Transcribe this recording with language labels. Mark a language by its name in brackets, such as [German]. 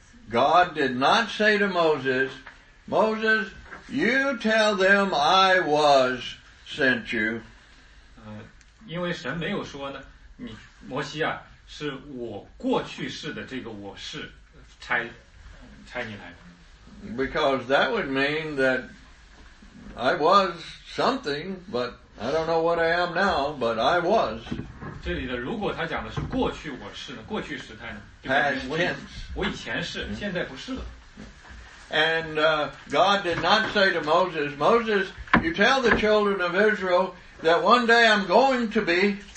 [English] God did not say to Moses, Moses, you tell them I was sent you. [Chinese] 因为神没有说呢,摩西啊,是我过去世的这个我是差你来的。 [English] Because that would mean that I was something, but I don't know what I am now, but I was. [Chinese] 这里的如果他讲的是过去我是呢,过去时态呢,就是我以前是,现在不是了。And [English] God did not say to Moses, Moses, you tell the children of Israel that one day I'm going to be.